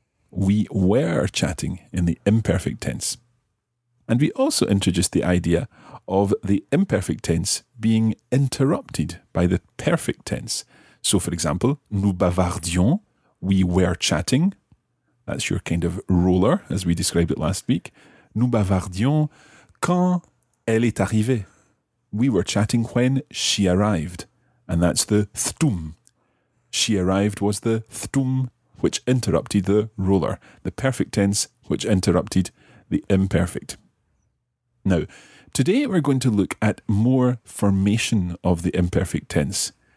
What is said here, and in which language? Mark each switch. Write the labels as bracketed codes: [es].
[en] We were chatting in the imperfect tense. And we also introduced the idea of the imperfect tense being interrupted by the perfect tense. So, for example, nous bavardions, we were chatting. That's your kind of roller, as we described it last week. [fr] Nous bavardions quand elle est arrivée. [en] We were chatting when she arrived. And that's the thtum. She arrived was the thtum, which interrupted the roller. The perfect tense, which interrupted the imperfect. Now, today we're going to look at more formation of the imperfect tense.